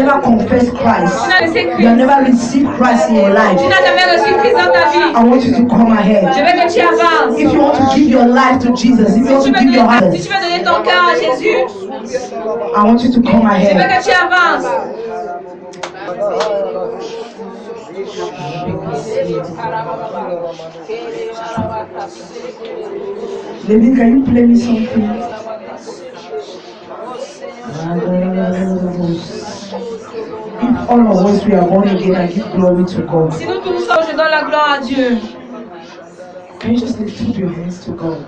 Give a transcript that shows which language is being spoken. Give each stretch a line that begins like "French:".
English: You have never received Christ in your life. I want you to come ahead. If you want to give your life to Jesus, if you want to give your heart,
French: si tu veux donner ton cœur à Jésus,
English: I want you to come ahead.
French: Je veux que tu avances.
English: Let me, can you play me something? If all of us we are born again, I give glory to God.
French: Si nous tous sommes, je donne la gloire à Dieu.
English: Can you just lift up your hands to God?